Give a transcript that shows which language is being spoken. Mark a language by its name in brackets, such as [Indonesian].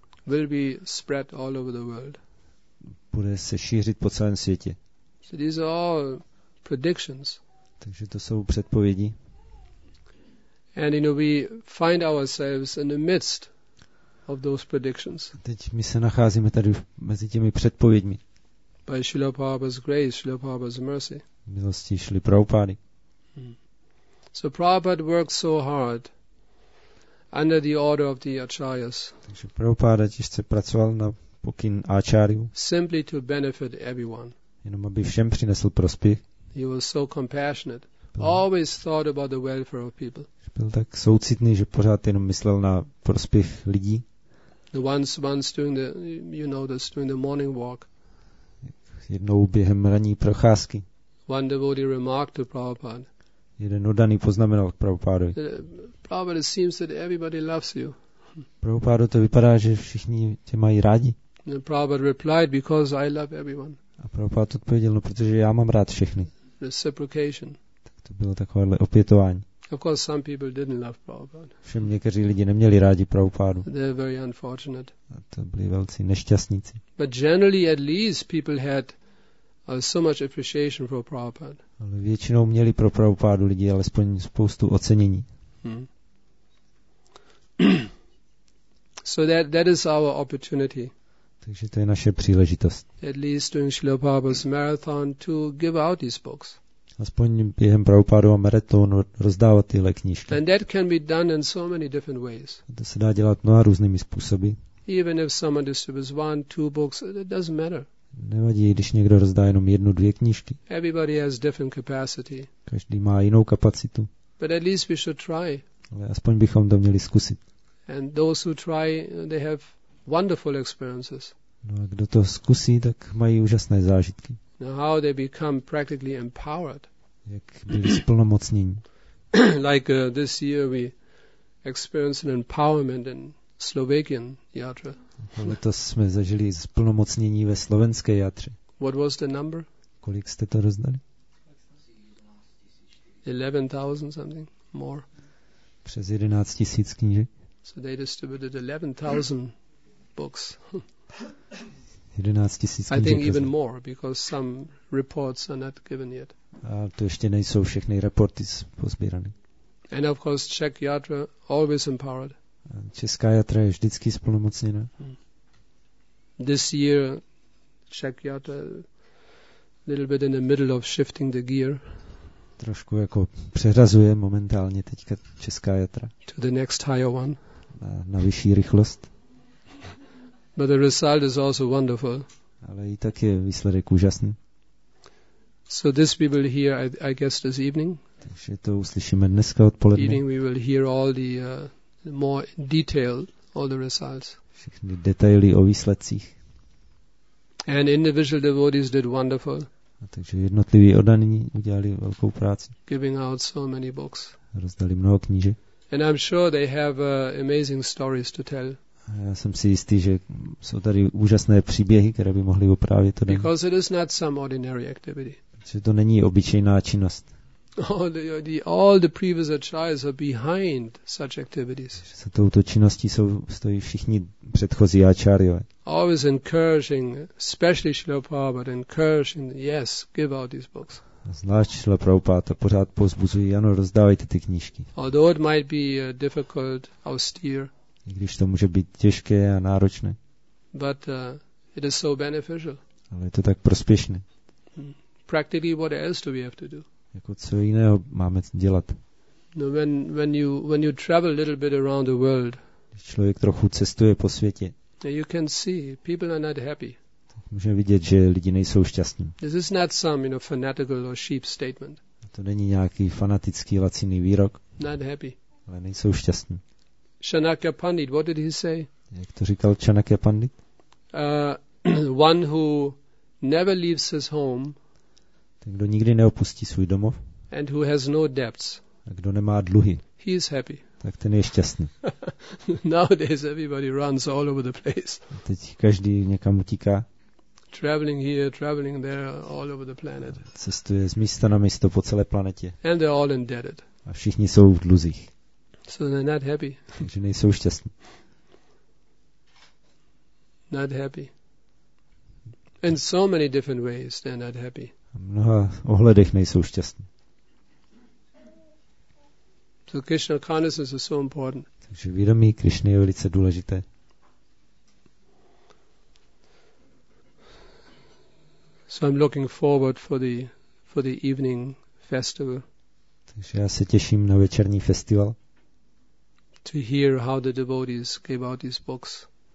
[English] Will be spread all over the world. [Czech] Bude se šířit po celém světě. [English] So these are all predictions. [Czech] Takže to jsou předpovědi. [English] And you know, we find ourselves in the midst of those predictions. [Czech] Teď my se nacházíme tady mezi těmi předpověďmi. [English] By Srila Prabhupada's grace, Srila Prabhupada's mercy. [Czech] Milosti Srily Prabhupady. [English] So Prabhupada worked so hard under the order of the acharyas. [Czech] Takže Prabhupada těžce pracoval na pokyn acharyů. [English] Simply to benefit everyone. [Czech] Jenom aby všem přinesl prospěch. [English] He was so compassionate. Always thought about the welfare of people. [Czech] Byl tak soucitný, že pořád jenom myslel na prospěch lidí. [English] The once during the, you know, this during the morning walk. [Czech] Jednou během ranní procházky. [English] One devotee remarked to Prabhupada. [Czech] Jeden oddaný poznamenal k Prabhupádovi. [English] Prabhupada, it seems that everybody loves you. [Czech] Prabhupádo, to vypadá, že všichni tě mají rádi. [English] And Prabhupada replied, because I love everyone. [Czech] A Prabhupáda odpověděl, no, protože já mám rád všechny. [English] Reciprocation. [Czech] Tak to bylo takovéhle opětování. [English] Of course, some people didn't love Prabhupada. [Czech] Všem někteří lidi neměli rádi Prabhupádu. [English] They were very unfortunate. [Czech] A to byli velcí nešťastníci. [English] But generally, at least, people had so much appreciation for Prabhupada. [Czech] Ale většinou měli pro Prabhupádu lidi alespoň spoustu ocenění. [English] So that is our opportunity. [Czech] Takže to je naše příležitost. [English] At least during Srila Prabhupada's marathon to give out these books. [Czech] Aspoň během Prabhupádova maratonu rozdávat tyhle knížky. [English] And that can be done in so many different ways. [Czech] To se dá dělat mnoha různými způsoby. [English] Even if someone distributes one, two books, it doesn't matter. [Czech] Nevadí, když někdo rozdá jenom jednu, dvě knížky. [English] Everybody has different capacity. [Czech] Každý má jinou kapacitu. [English] But at least we should try. [Czech] Ale aspoň bychom to měli zkusit. [English] And those who try, they have wonderful experiences. [Czech] No a kdo to zkusí, tak mají úžasné zážitky. [English] Now how they become practically empowered. [Czech] Jak byli splnomocnění. [English] Like this year we experienced an empowerment in Slovakian yatra. [Czech] Letos jsme zažili splnomocnění ve slovenské játře. [English] What was the number? [Czech] Kolik jste to rozdali? [English] 11,000 something more. [Czech] Přes 11 000 knížek. [English] So they distributed 11,000 books. [Czech] 11 000 knížek. [English] I think even more, because some reports are not given yet. [Czech] A to ještě nejsou všechny reporty pozbírané. [English] And of course Czech yatra always empowered. [Czech] Česká játra je vždycky splnomocněna. [English] This year Czech játra little bit in the middle of shifting the gear. [Czech] Trošku jako přehrazuje momentálně teďka česká játra. [English] To the next higher one. [Czech] Na vyšší rychlost. [English] But the result is also wonderful. [Czech] Ale i tak je výsledek úžasný. [English] So this we will hear, I guess, this evening. [Czech] Takže to uslyšíme dneska odpoledne. [English] Evening we will hear all the more detail all the results. [Czech] Všechny detaily o výsledcích. [English] And individual devotees did wonderful. [Czech] A takže jednotliví oddaní udělali velkou práci. [English] Giving out so many books. [Czech] Rozdali mnoho kníže. [English] And I'm sure they have amazing stories to tell. [Czech] A já jsem si jistý, že jsou tady úžasné příběhy, které by mohli oprávět to. [English] Because it is not some ordinary activity. [Czech] Protože to není obyčejná činnost. [English] All the previous acharyas are behind such activities. [Czech] Za touto činností jsou stojí všichni předchozí acharyové. [English] Always encouraging, especially Srila Prabhupada, encouraging, yes, give out these books. [Czech] Zvlášť Srila Prabhupada pořád povzbuzují, ano, rozdávajte ty knížky. [English] Although it might be difficult, austere. [Czech] I když to může být těžké a náročné. [English] But it is so beneficial. [Czech] Ale je to tak prospěšné. [English] Practically, what else do we have to do? [Czech] Jako co jiného máme dělat? [English] No, when you travel a little bit around the world, [Czech] když člověk trochu cestuje po světě, [English] you can see people are not happy. [Czech] Můžeme vidět, že lidi nejsou šťastní. [English] This is not some, you know, fanatical or sheep statement. [Czech] To není nějaký fanatický laciný výrok. [English] Not happy. [Czech] Ale nejsou šťastní. [English] Chanakya Pandit, what did he say? [Czech] Jak to říkal Chanakya Pandit? [English] One who never leaves his home. [Czech] Ten, kdo nikdy neopustí svůj domov. [English] And who has no debts. [Czech] A kdo nemá dluhy. [English] He is happy. [Czech] Tak ten je šťastný. [English] Nowadays everybody runs all over the place. [Czech] Teď každý někam utíká. [English] Traveling here, traveling there, all over the planet. [Czech] Cestuje z místa na místo po celé planetě. [English] And they're all indebted. [Czech] A všichni jsou v dluzích. [English] So they're not happy. [Czech] Takže nejsou šťastní. [English] Not happy. In so many different ways they're not happy. [Czech] V mnoha ohledech nejsou šťastní. [English] So Krishna consciousness is so important. [Czech] Takže vědomí Krishna je velice důležité. [English] So I'm looking forward for the evening festival. [Czech] Takže já se těším na večerní festival. [English] To hear how the devotees gave out these books.